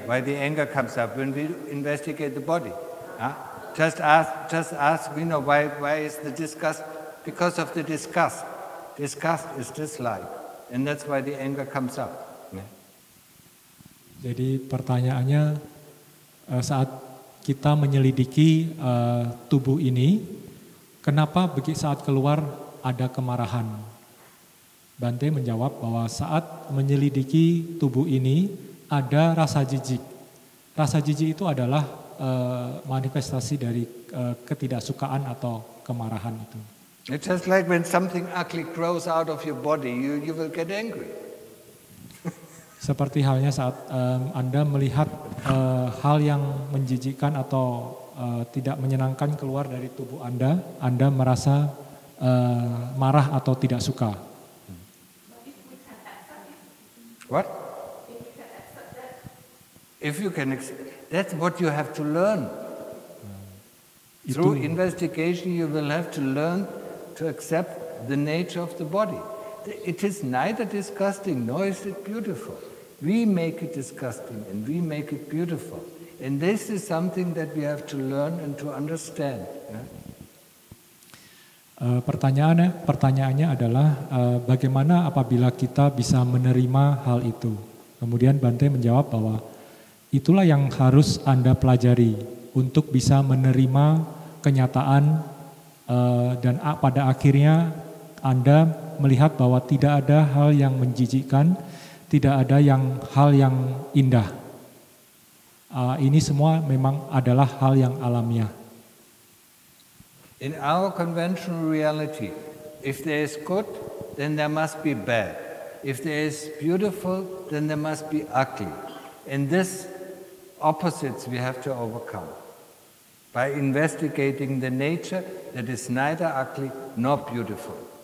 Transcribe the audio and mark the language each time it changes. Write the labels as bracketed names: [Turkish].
[English] Why the anger comes up when we investigate the body? Huh? Just ask. You know why? Why is the disgust? Because of the disgust. Disgust is dislike, and that's why the anger comes up. Yeah. [Indonesian] Jadi pertanyaannya saat kita menyelidiki tubuh ini, kenapa begitu saat keluar ada kemarahan? Bante menjawab bahwa saat menyelidiki tubuh ini ada rasa jijik. Rasa jijik itu adalah manifestasi dari ketidaksukaan atau kemarahan itu. [English] It's just like when something ugly grows out of your body, you will get angry. [Indonesian] Seperti halnya saat Anda melihat hal yang menjijikkan atau tidak menyenangkan keluar dari tubuh Anda, Anda merasa marah atau tidak suka. [English] What? If you can accept, that's what you have to learn. Through investigation, you will have to learn to accept the nature of the body. It is neither disgusting nor is it beautiful. We make it disgusting and we make it beautiful. And this is something that we have to learn and to understand. [Indonesian] Pertanyaannya adalah bagaimana apabila kita bisa menerima hal itu? Kemudian Bante menjawab bahwa itulah yang harus Anda pelajari untuk bisa menerima kenyataan dan pada akhirnya Anda melihat bahwa tidak ada hal yang menjijikkan, tidak ada yang hal yang indah. Ini semua memang adalah hal yang alamiah. [English] In our conventional reality, if there is good, then there must be bad. If there is beautiful, then there must be ugly. And this opposites we have to overcome by investigating the nature that is neither ugly nor beautiful.